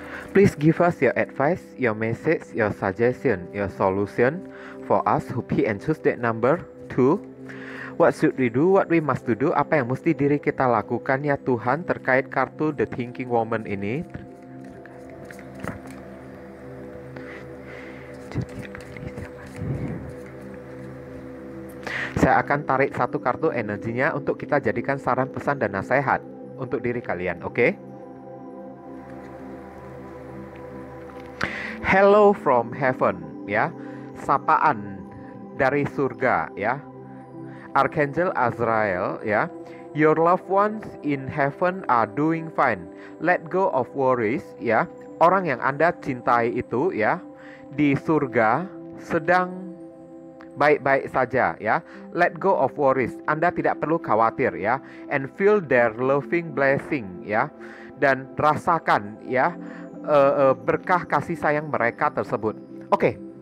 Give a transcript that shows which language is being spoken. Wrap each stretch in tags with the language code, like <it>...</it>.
<en>Please give us your advice, your message, your suggestion, your solution for us who pick and choose that number 2. What should we do? What we must do?</en> <id>Apa yang mesti diri kita lakukan ya Tuhan terkait kartu The Thinking Woman ini? Saya akan tarik satu kartu energinya untuk kita jadikan saran, pesan, dan nasihat untuk diri kalian, oke? Okay?</id> <en>Hello from heaven,</en> <id>ya. Sapaan dari surga ya. Archangel Azrael ya.</id> <en>Your loved ones in heaven are doing fine. Let go of worries ya.</en> <id>Orang yang Anda cintai itu ya di surga sedang baik-baik saja ya.</id> <en>Let go of worries.</en> <id>Anda tidak perlu khawatir ya.</id> <en>And feel their loving blessing ya.</en> <id>Dan rasakan ya berkah kasih sayang mereka tersebut. Oke. Okay.</id>